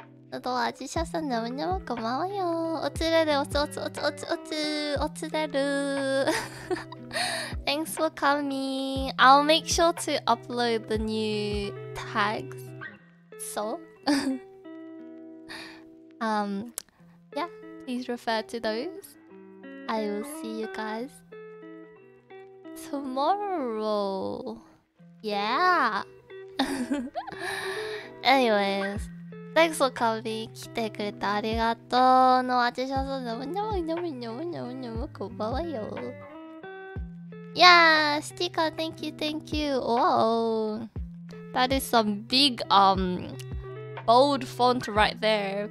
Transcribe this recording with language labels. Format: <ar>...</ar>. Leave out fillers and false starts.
<ko>너도 와주셔서 너무너무 고마워요.</ko> <ja>오츠레레 오츠 오츠레루.</ja> <en>Thanks for coming. I'll make sure to upload the new tags. So. yeah, please refer to those. I will see you guys tomorrow. Yeah. Anyways. Thanks for coming.</en> <ja>来てくれてありがとう.</ja> <ko>너와주셔서 너무너무 고마워요.</ko> <en>Yeah, sticker. Thank you. Wow. That is some big, bold font right there.</en>